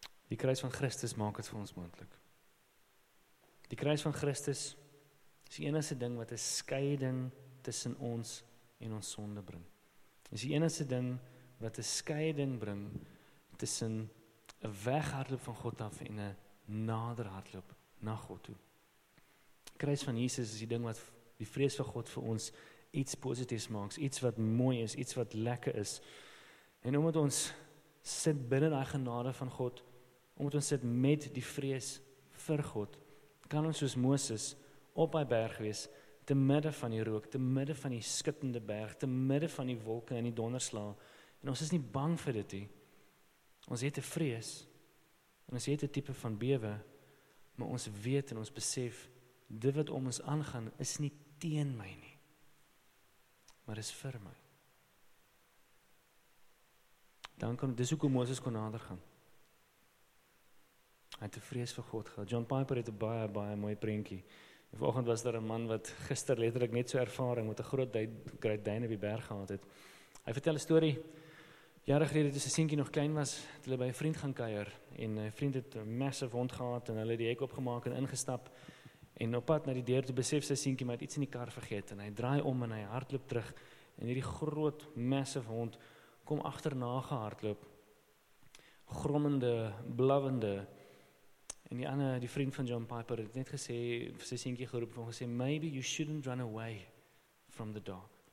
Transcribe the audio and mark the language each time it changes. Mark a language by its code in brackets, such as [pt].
[af] Die kruis van Christus maak het vir ons moontlik. Die kruis van Christus is die enigste ding wat een scheiding tussen ons en ons sonde bring. Is die enigste ding wat een scheiding bring tussen een weghardloop van God af en een naderhardloop na God toe. Die kruis van Jesus is die ding wat die vrees van God vir ons iets positiefs maak, iets wat mooi is, iets wat lekker is. En omdat ons sit binnen die genade van God, omdat ons sit met die vrees vir God, kan ons soos Moses op die berg wees, te midde van die rook, te midde van die skittende berg, te midde van die wolke en die donderslaa, en ons is nie bang vir dit nie. Ons het 'n vrees, en ons het 'n type van bewe, maar ons weet en ons besef, dit wat om ons aangaan, is nie teen my nie, maar is vir my. Dis hoekom Moses kon nader gaan. Hy het die vrees vir God gehad. John Piper het een baie, baie mooie prentjie. En vanoggend was daar een man wat gister letterlijk net so ervaring met een groot duin op die berg gehad het. Hy vertel een story. Jare gelede, toe sy seentjie nog klein was, het hulle by een vriend gaan kuier. En een vriend het een massive hond gehad en hulle het die hek opgemaak en ingestap. En op pad naar die deur, toe besef sy seentjie, maar het iets in die kar vergeet. En hy draai om en hy hardloop terug. En hierdie groot, massive hond kom achterna gehardloop. Grommende, blawende. En die ander, die vriend van John Piper, het net gesê, sy seentjie geroep, en gesê, [en] maybe you shouldn't run away from the dog.